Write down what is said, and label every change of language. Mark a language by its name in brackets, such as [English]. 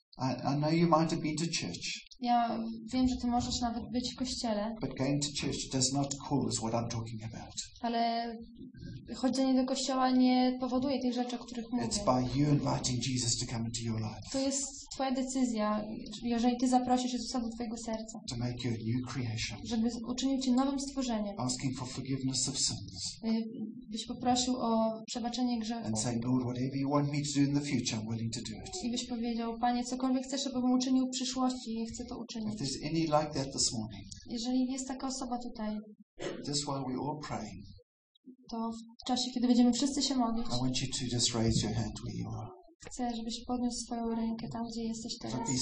[English] I know you might have been to church, [Polish] ja wiem, że ty możesz nawet być w kościele, [English] but going to church does not cause what I'm talking about. [Polish] Ale chodzenie do kościoła nie powoduje tych rzeczy, o których mówię. [English] It's by you inviting Jesus to come into your life. [Polish] To jest twoja decyzja, jeżeli ty zaprosisz Jezusa do twojego serca. [English] To make you a new creation. [Polish] Żeby uczynił cię nowym stworzeniem. [English] Asking for forgiveness of sins. [Polish] Byś poprosił o przebaczenie grzechów. [English] And say, Lord, whatever you want me to do in the future, I'm willing to do it. [Polish] I byś powiedział, Panie, cokolwiek chcesz, abym uczynił w przyszłości, chcę to uczynić. [English] If there's any like that this morning. [Polish] Jeżeli jest taka osoba tutaj. [English] This while we all pray. [Polish] To w czasie, kiedy będziemy wszyscy się modlić. [English] I want you to just raise your hand where you are. [Polish] Chcę, żebyś podniósł swoją rękę tam, gdzie jesteś teraz.